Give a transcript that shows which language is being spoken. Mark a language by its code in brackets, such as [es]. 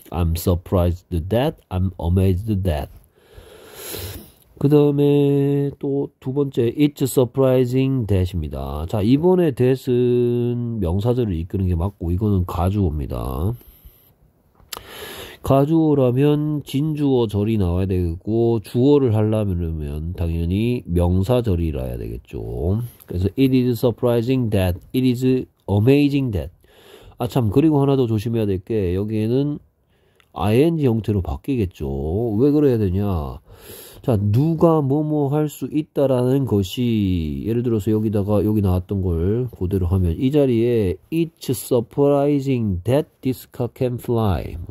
[en] I'm surprised that, I'm amazed that. [ko] 그 다음에 또두 번째, [en] it's surprising that입니다. [ko] 자, 이번에 that은 명사절을 이끄는 게 맞고, 이거는 가주어입니다. 가주어라면 진주어절이 나와야 되겠고, 주어를 하려면 당연히 명사절이라야 되겠죠. [en] 그래서 it is surprising that, it is amazing that. [ko] 아, 참, 그리고 하나 더 조심해야 될 게, 여기에는 ing 형태로 바뀌겠죠. 왜 그래야 되냐? 자, 누가 뭐뭐 할수 있다라는 것이 예를 들어서 여기다가 여기 나왔던 걸 그대로 하면 이 자리에 [en] It's surprising that this car can fly.